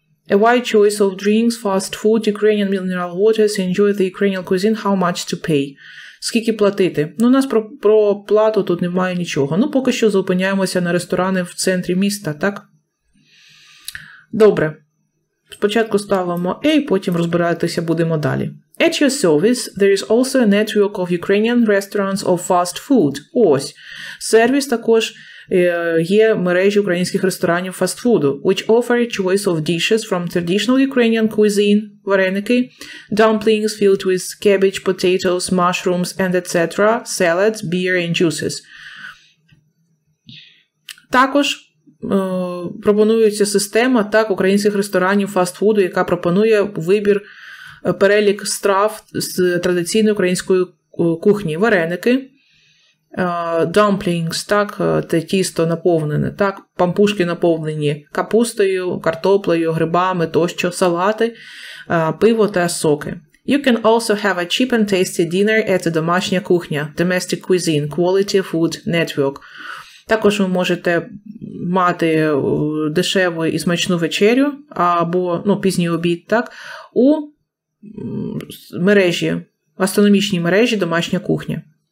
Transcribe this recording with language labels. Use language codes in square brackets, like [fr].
[en] A wide choice of drinks, fast food, Ukrainian mineral waters, enjoy the Ukrainian cuisine, how much to pay. [uk] Скільки платити? Ну, у нас про плату тут немає нічого. Ну, поки що зупиняємося на ресторани в центрі міста, так? Добре. Спочатку ставимо A, потім розбиратися будемо далі. [en] At your service, there is also a network of Ukrainian restaurants of fast food. Ось. Сервіс також є мережі українських ресторанів фастфуду, which offer a choice of dishes from traditional Ukrainian cuisine, вареники, dumplings filled with cabbage, potatoes, mushrooms, and etc., salads, beer, and juices. [uk] Також пропонується система так українських ресторанів фастфуду, яка пропонує вибір перелік страв з традиційної української кухні, вареники, dumplings, так, те тісто наповнене, так, пампушки наповнені капустою, картоплею, грибами, тощо, салати, пиво та соки. [en] You can also have a cheap and tasty dinner at a домашня кухня, domestic cuisine, quality food network. [uk] Також ви можете мати дешеву і смачну вечерю, або, ну, пізній обід, так, у мережі, гастрономічній мережі домашня кухня.